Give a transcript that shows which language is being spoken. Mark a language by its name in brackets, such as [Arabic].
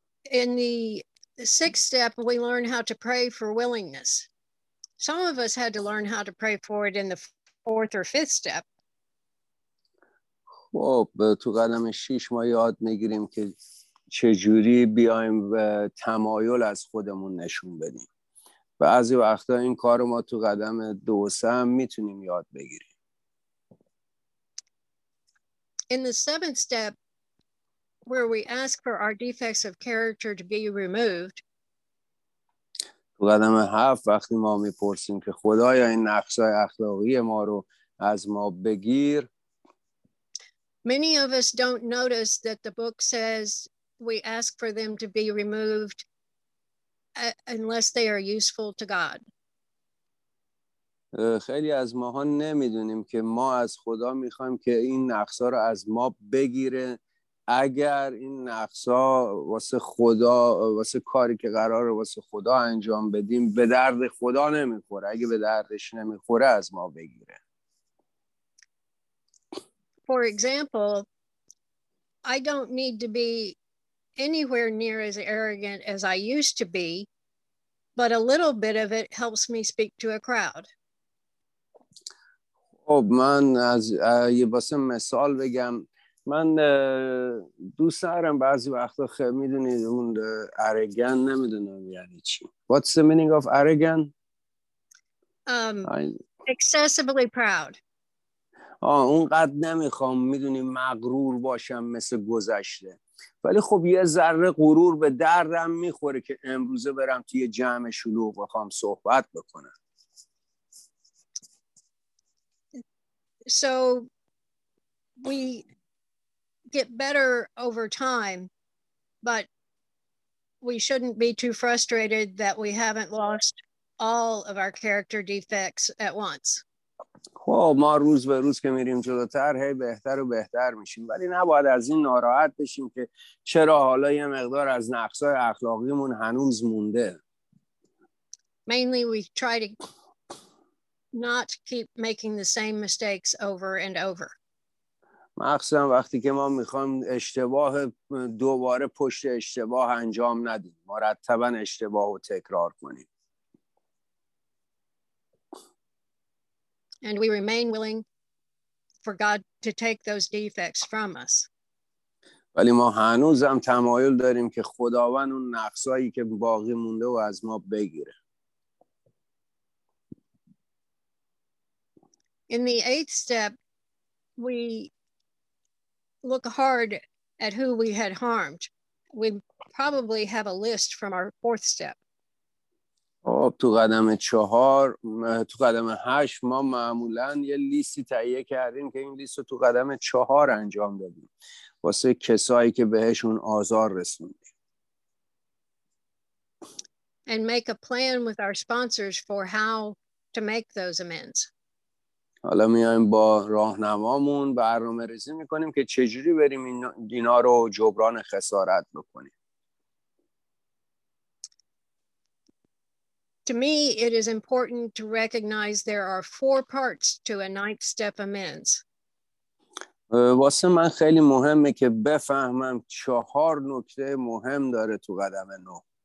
[English] in the sixth step, we learn how to pray for willingness. Some of us had to learn how to pray for it in the fourth or fifth step. [Persian] خب تو قدم شیش ما یاد میگیریم که چجوری بیایم و تمایل از خودمون نشون بدیم. بعضی وقتا این کار ما تو قدم دو سه هم میتونیم یاد بگیریم. [English] In the seventh step, where we ask for our defects of character to be removed. [Persian] تو قدم هفت وقتی ما میپرسیم که خدایا این نقصهای اخلاقی ما رو از ما بگیر. [English] Many of us don't notice that the book says we ask for them to be removed unless they are useful to God. [Persian] خیلی از ماها نمیدونیم که ما از خدا میخوایم که این نقصا رو از ما بگیره اگر این نقصا واسه خدا واسه کاری که قراره واسه خدا انجام بدیم به درد خدا نمیخوره اگه به دردش نمیخوره از ما بگیره. [English] For example, I don't need to be anywhere near as arrogant as I used to be, but a little bit of it helps me speak to a crowd. [Persian] خب من از یه واسه مثال بگم من دوست دارم بعضی وقتا خیلی میدونید اون ارگان نمیدونم یعنی چی. [English] What's the meaning of arrogant? Excessively proud. [Persian] اونقدر نمیخوام میدونی مغرور باشم مثل گذشته ولی خب یه ذره غرور به دردم میخوره که امروزه برم توی جمع شلوغ بخوام صحبت بکنم. [English] So we get better over time but we shouldn't be too frustrated that we haven't lost all of our character defects at once. [Persian] خب ما روز به روز که میریم جلوتر هی بهتر و بهتر میشیم ولی نباید از این ناراحت بشیم که چرا حالا یه مقدار از نقصای اخلاقیمون هنوز مونده. [English] Mainly we try to not keep making the same mistakes over and over. [Persian] مخصوصا وقتی که ما میخوایم اشتباه دوباره پشت اشتباه انجام ندیم مرتبا اشتباه رو تکرار کنیم. [English] And we remain willing for God to take those defects from us. [Persian] ولی ما هنوزم تمایل داریم که خداوند اون نقصایی که باقی مونده و از ما بگیره. [English] In the eighth step, we look hard at who we had harmed. We probably have a list from our fourth step. [Persian] خب تو قدم چهار تو قدم هشت ما معمولا یه لیستی تهیه کردیم که این لیست رو تو قدم چهار انجام دادیم واسه کسایی که بهشون آزار رسوندیم. [English] And make a plan with our sponsors for how to make those amends. [Persian] حالا میایم با راهنمامون برنامه ریزی میکنیم که چجوری بریم اینا رو جبران خسارت بکنیم. [English] To me, it is important to recognize there are four parts to a ninth step amends. [Persian] واسه من خیلی مهمه که بفهمم چهار نکته مهم داره تو قدم نه.